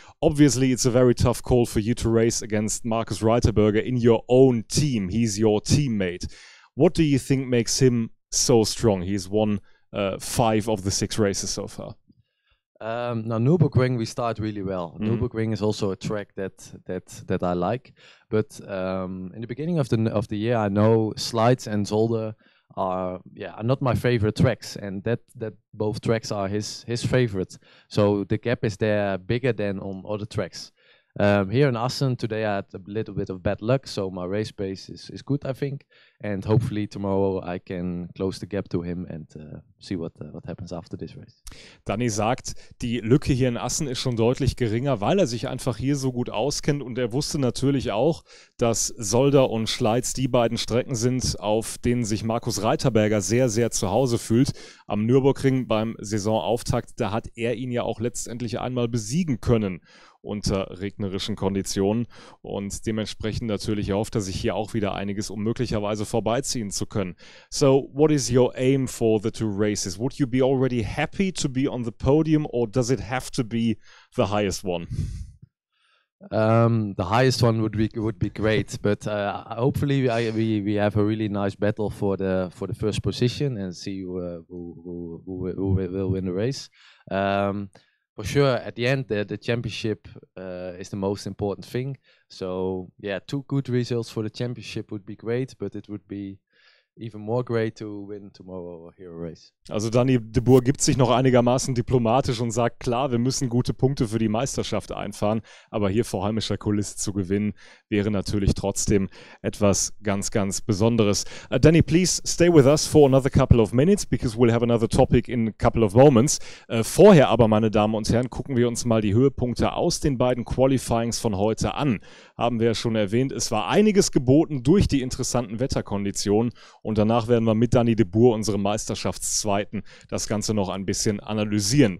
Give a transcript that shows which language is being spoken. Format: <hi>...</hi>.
<en>Obviously, it's a very tough call for you to race against Markus Reiterberger in your own team. He's your teammate. What do you think makes him so strong? He's won five of the six races so far. Now Nürburgring, we start really well. Nürburgring is also a track that I like, but in the beginning of the year, I know Schleiz and Zolder are not my favorite tracks, and that both tracks are his favorite. So the gap is there bigger than on other tracks. Here in Assen today, I had a little bit of bad luck, so my race pace is good, I think, and hopefully tomorrow I can close the gap to him and see what happens after this race.</en> <de>Danny sagt, die Lücke hier in Assen ist schon deutlich geringer, weil er sich einfach hier so gut auskennt und er wusste natürlich auch, dass Solder und Schleiz die beiden Strecken sind, auf denen sich Markus Reiterberger sehr, sehr zu Hause fühlt. Am Nürburgring beim Saisonauftakt, da hat er ihn ja auch letztendlich einmal besiegen können. unter regnerischen Konditionen und dementsprechend natürlich erhofft er sich hier auch wieder einiges, um möglicherweise vorbeiziehen zu können.</de> <en>So, what is your aim for the two races? Would you be already happy to be on the podium or does it have to be the highest one? The highest one would be great, but hopefully we have a really nice battle for the first position and see who will win the race. For sure, at the end the championship is the most important thing. So yeah, two good results for the championship would be great, but it would be even more great to win tomorrow here race.</en> <de>Also Danny de Boer gibt sich noch einigermaßen diplomatisch und sagt, klar, wir müssen gute Punkte für die Meisterschaft einfahren, aber hier vor heimischer Kulisse zu gewinnen, wäre natürlich trotzdem etwas ganz, ganz Besonderes.</de> <en>Danny, please stay with us for another couple of minutes, because we'll have another topic in a couple of moments.</en> <de>Vorher aber, meine Damen und Herren, gucken wir uns mal die Höhepunkte aus den beiden Qualifyings von heute an. Haben wir ja schon erwähnt, es war einiges geboten durch die interessanten Wetterkonditionen. Und danach werden wir mit Danny de Boer, unserem Meisterschaftszweiten, das Ganze noch ein bisschen analysieren.</de>